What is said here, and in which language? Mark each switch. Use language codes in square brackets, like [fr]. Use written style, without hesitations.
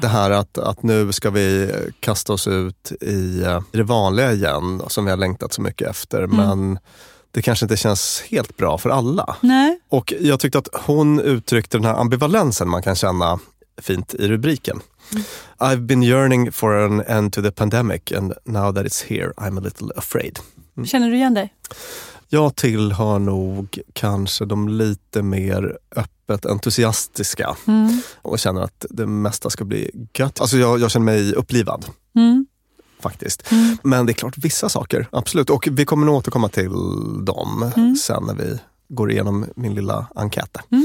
[sv] Det här att nu ska vi kasta oss ut i det vanliga igen som vi har längtat så mycket efter, men det kanske inte känns helt bra för alla. Nej. Och jag tyckte att hon uttryckte den här ambivalensen man kan känna fint i rubriken. [en] I've been yearning for an end to the pandemic and now that it's here I'm a little afraid. [sv] Känner du igen dig? Jag tillhör nog kanske de lite mer öppet entusiastiska och känner att det mesta ska bli gött. Alltså jag känner mig upplivad. Faktiskt. Men det är klart vissa saker, absolut. Och vi kommer nog återkomma till dem sen när vi går igenom min lilla enkät.